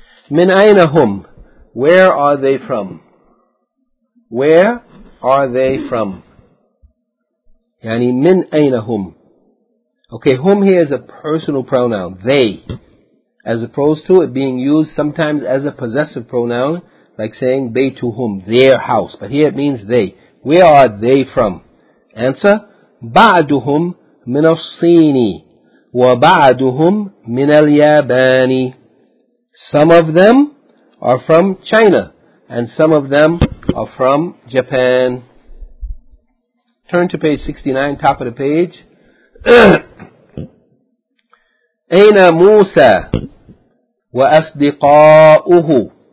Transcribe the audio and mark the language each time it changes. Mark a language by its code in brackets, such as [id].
[ar] من أين هم? [en] Where are they from? Where are they from? [ar] يعني من أين هم? [en] Okay, هم here is a personal pronoun, they. As opposed to it being used sometimes as a possessive pronoun, like saying بيتهم, their house. But here it means they. Where are they from? Answer, [ar] بعدهم من الصين وبعدهم من اليابان. [en] Some of them are from China and some of them are from Japan. Turn to page 69, top of the page. [ar] أين موسى وأصدقاؤه?